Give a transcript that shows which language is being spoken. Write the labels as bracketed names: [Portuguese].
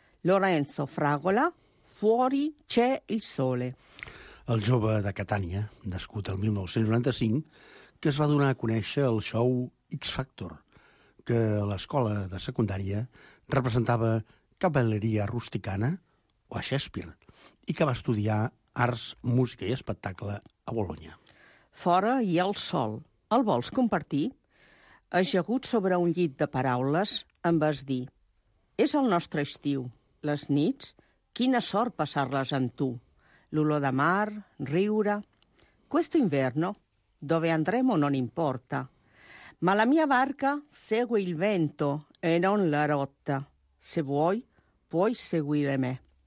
[Italian] Lorenzo Fragola, Fuori c'è il sole. [Catalan] El jove de Catània, nascut el 1995, que es va donar a conèixer el show X Factor, que a l'escola de secundària representava cavalleria rusticana o a Shakespeare, i que va estudiar arts, música i espectacle a Bologna. Fora hi ha el sol. El vols compartir? Ajegut sobre un llit de paraules, em vas dir: és el nostre estiu, les nits, quina sort passar-les amb tu, l'olor de mar, riure. [Italian] Questo inverno, dove andremo non importa, ma la mia barca segue il vento e non la rotta. Se vuoi, puoi seguire me.